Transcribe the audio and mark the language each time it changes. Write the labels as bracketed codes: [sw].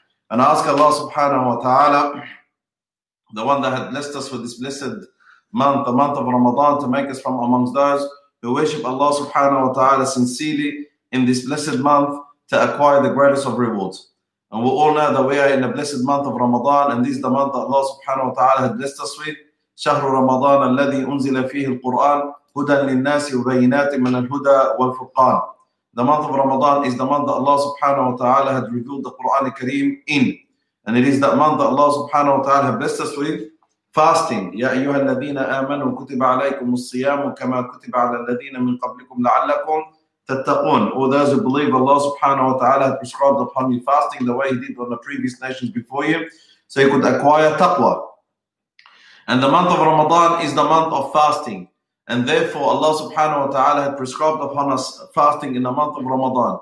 [en] And I ask Allah subhanahu wa ta'ala, the one that had blessed us with this blessed month, the month of Ramadan, to make us from amongst those who worship Allah subhanahu wa ta'ala sincerely in this blessed month to acquire the greatest of rewards. And we all know that we are in a blessed month of Ramadan, and this is the month that Allah subhanahu wa ta'ala has blessed us with. [ar] شهر رمضان الذي أنزل فيه القرآن هدى للناس وبينات من الهدى والفرقان. [en] The month of Ramadan is the month that Allah subhanahu wa ta'ala has revealed the Quran al-Kareem in. And it is that month that Allah subhanahu wa ta'ala has blessed us with fasting. [ar] يا أيها الذين آمنوا كتب عليكم الصيام كما كتب على الذين من قبلكم لعلكم تتقون. [en] All those who believe Allah subhanahu wa ta'ala has prescribed upon you fasting the way he did on the previous nations before you, so you could acquire taqwa. And the month of Ramadan is the month of fasting. And therefore Allah subhanahu wa ta'ala has prescribed upon us fasting in the month of Ramadan.